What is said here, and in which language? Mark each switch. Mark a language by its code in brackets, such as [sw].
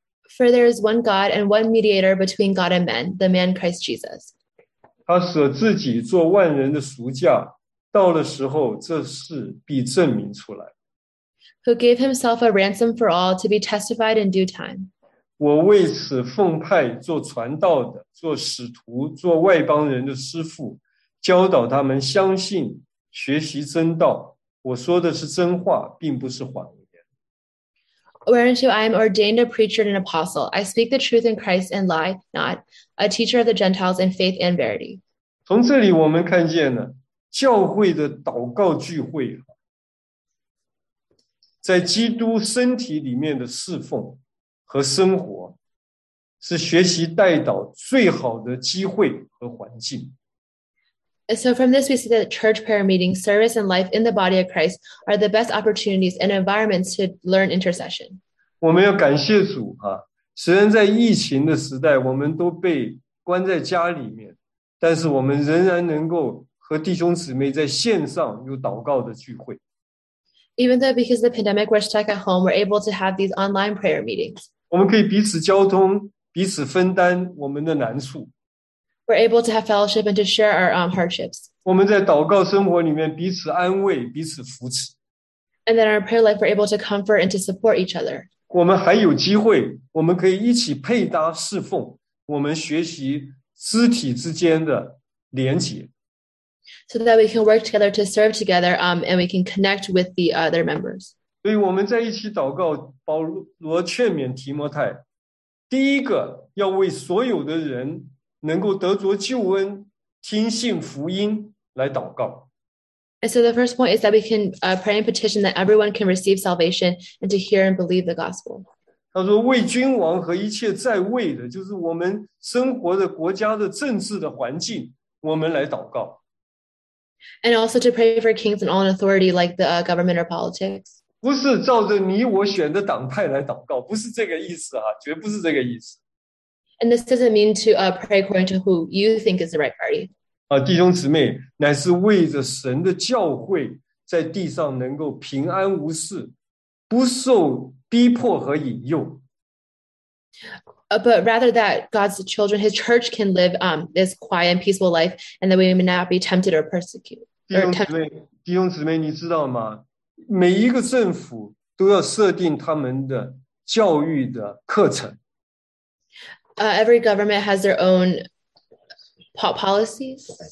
[en] For there is one God and one mediator between God and men, the man Christ Jesus. [zh] 他舍自己做万人的赎价，到了时候这事必证明出来。 [en] Who gave himself a ransom for all to be testified in due time. [zh] 我为此奉派做传道的，做使徒，做外邦人的师父，教导他们相信，学习真道。我说的是真话，并不是谎言。 [en] Whereunto I am ordained a preacher and an apostle. I speak the truth in Christ and lie not, a teacher of the Gentiles in faith and verity. [zh] 从这里我们看见了教会的祷告聚会在基督身体里面的侍奉和生活是学习代祷最好的机会和环境。 [en] So from this we see that church prayer meeting, service and life in the body of Christ are the best opportunities and environments to learn intercession. [zh] 我们要感谢主啊，虽然在疫情的时代我们都被关在家里面，但是我们仍然能够和弟兄姊妹在线上有祷告的聚会。 [en] Even though because of the pandemic we're stuck at home, we're able to have these online prayer meetings. [zh] 我们可以彼此交通，彼此分担我们的难处。 [en] We're able to have fellowship and to share our hardships. [zh] 我们在祷告生活里面彼此安慰，彼此扶持。 [en] And then our prayer life, we're able to comfort and to support each other. [zh] 我们还有机会，我们可以一起配搭侍奉，我们学习肢体之间的连结。 [en] So that we can work together to serve together, and we can connect with the other members. [zh] 所以我们在一起祷告，保罗劝勉提摩太，第一个要为所有的人能够得着救恩听信福音来祷告。 [en] And so the first point is that we can pray and petition that everyone can receive salvation and to hear and believe the gospel. [zh] 他说为君王和一切在位的，就是我们生活的国家的政治的环境，我们来祷告。 [en] And also to pray for kings and all in authority like the government or politics. [zh] 不是照着你我选的党派来祷告，不是这个意思啊，绝不是这个意思。 [en] And this doesn't mean to pray according to who you think is the right party. [zh] 弟兄姊妹，乃是为着神的教会在地上能够平安无事，不受逼迫和引诱。 [en] But rather that God's children, His church can live this quiet and peaceful life, and that we may not be tempted or persecuted. [zh] 弟兄姊妹，你知道吗？每一个政府都要设定他们的教育的课程。 [en] Every government has their own policies.